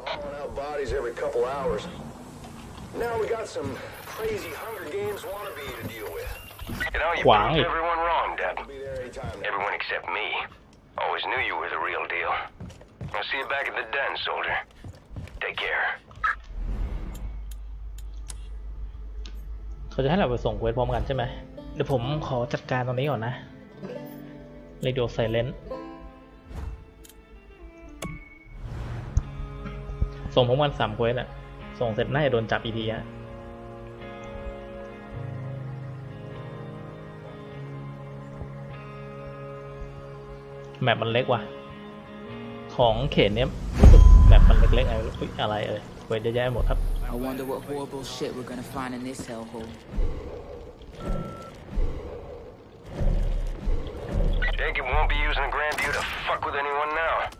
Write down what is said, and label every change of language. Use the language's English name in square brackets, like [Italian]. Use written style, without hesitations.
[English] Hauling out bodies every couple hours. Now we got some crazy Hunger Games wannabe to deal with. You know, you proved everyone wrong, Deb. Everyone except me. Always knew you were the real deal. I'll see you back at the den, soldier. Take care. [Thai] เขาจะให้เราไปส่งเควสพร้อมกันใช่ไหมเดี๋ยวผมขอจัดการตรงนี้ก่อนนะเรดิโอไซเลนส่งพร้อมกัน3เควสอ่ะส่งเสร็จน่าจะโดนจับอีกทีอ่ะแมปมันเล็กว่ะของเขตเนี้ยแมปมันเล็กๆไอ้อะไรเอ่ยเว้ยเยอะแยะหมดครับ [English] Jacob won't be using Grandview to fuck with anyone now.